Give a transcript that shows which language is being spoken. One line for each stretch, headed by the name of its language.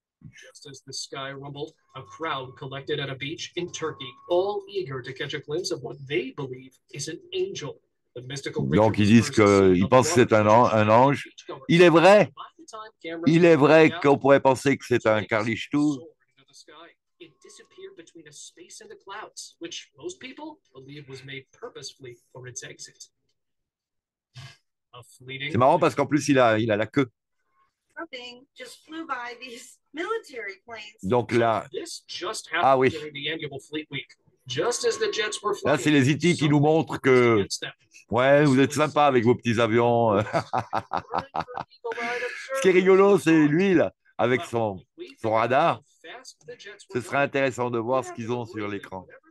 English: Just as the sky rumbled, a crowd collected at a beach in Turkey, all eager to catch a glimpse of what they believe is an angel. The mystical.
French: Donc ils disent qu'ils pensent que c'est un ange. Il est vrai. Il est vrai qu'on pourrait penser que c'est un carlichtou.
English: It disappeared between a space and the clouds, which most people believe was made purposefully for its exit.
French: C'est marrant parce qu'en plus il a la queue.
English: Something just flew by these military planes.
French: Donc là,
English: this just happened during the annual fleet week. Just as the jets were flying.
French: Là, c'est les E.T. qui nous montrent que ouais, vous êtes sympa avec vos petits avions. Ce qui est rigolo, c'est lui là, avec son radar. Ce serait intéressant de voir ce qu'ils ont sur l'écran.